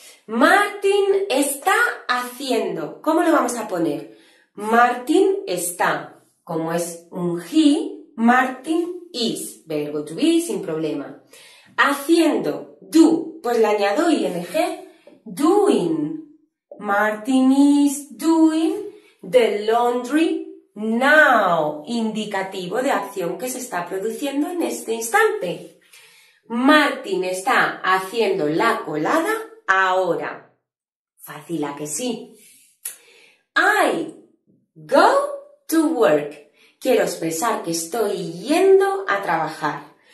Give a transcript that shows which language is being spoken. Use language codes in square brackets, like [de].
[es] Martin está haciendo. ¿Cómo lo vamos a poner? Martin está. Como es un he, [en] Martin is, [es] verbo to be, sin problema. Haciendo, do, pues le añado ing, doing. [en] Martin is doing the laundry now. [es] Indicativo de acción que se está produciendo en este instante. Martin está haciendo la colada ahora. Fácil, ¿a que sí? [en] I go to work. [es] Quiero expresar que estoy yendo a trabajar.